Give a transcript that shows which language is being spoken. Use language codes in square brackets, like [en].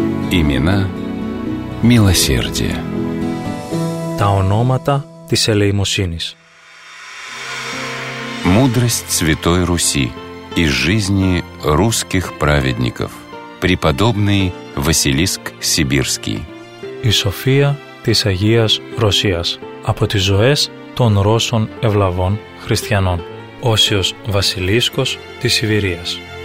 [ru] Имена милосердия. [el] Τα ονόματα της ελεημοσύνης. [ru] Мудрость Святой Руси из жизни русских праведников. Преподобный Василиск Сибирский. [el] Η σοφία της Αγίας Ρωσίας από τις ζωές των Ρώσων ευλαβών χριστιανών. Όσιος Βασιλίσκος της Σιβηρίας.